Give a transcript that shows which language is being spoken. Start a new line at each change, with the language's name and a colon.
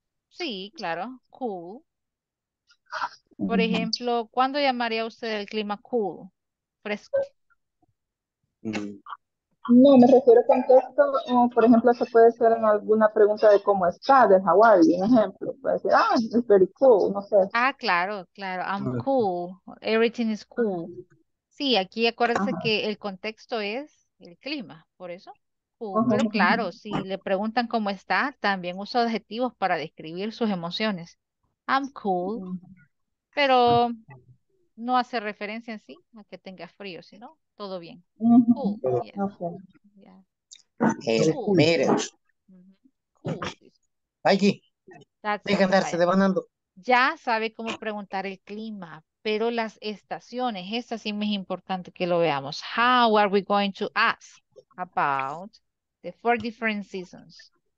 Spanish: Sí, claro, cool. Por ejemplo, ¿cuándo llamaría usted el clima cool? Fresco. No, me refiero a contexto, por ejemplo, se puede ser en alguna pregunta de cómo está, de Hawaii, un ejemplo. Puede decir, ah,
English: it's very cool,
Spanish: no sé. Ah, claro, claro,
English: I'm cool, everything is cool.
Spanish: Sí, aquí acuérdense que el contexto es el clima, por eso. Pero claro, si le preguntan cómo está, también usa adjetivos para describir sus emociones.
English: I'm cool.
Spanish: Pero no hace referencia en sí a que tenga frío, sino todo bien.
English: Cool.
Spanish: Mire. Allí. Dejen darse devanando. Ya sabe cómo preguntar el clima. Pero las estaciones, esta sí me es importante que lo veamos.
English: How are we going to ask about the four different seasons?